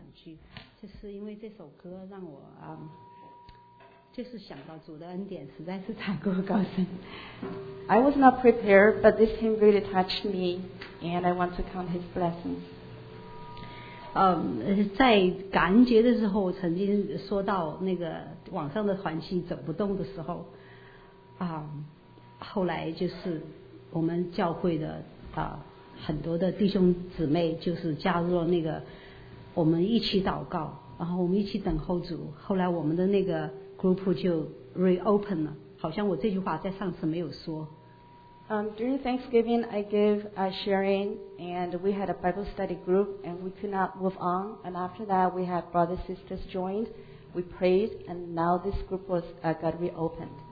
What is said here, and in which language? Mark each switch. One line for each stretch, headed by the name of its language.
Chinese: 去，就是因为这首歌让我啊，就是想到主的恩典实在是太过高深。
English: I was not prepared, but this hymn really touched me, and I want to count His blessings.
Chinese: 在感恩节的时候，我曾经说到那个网上的团契走不动的时候，啊，后来就是我们教会的啊。很多的弟兄姊妹就是加入了那个我们一起祷告，然后我们一起等候主，后来我们的那个 group 就 reopen 了，好像我这句话在上次没有说。
English: During Thanksgiving I gave a sharing and we had a Bible study group and we could not move on, and after that we had brothers sisters joined, we prayed, and now this group was got reopened.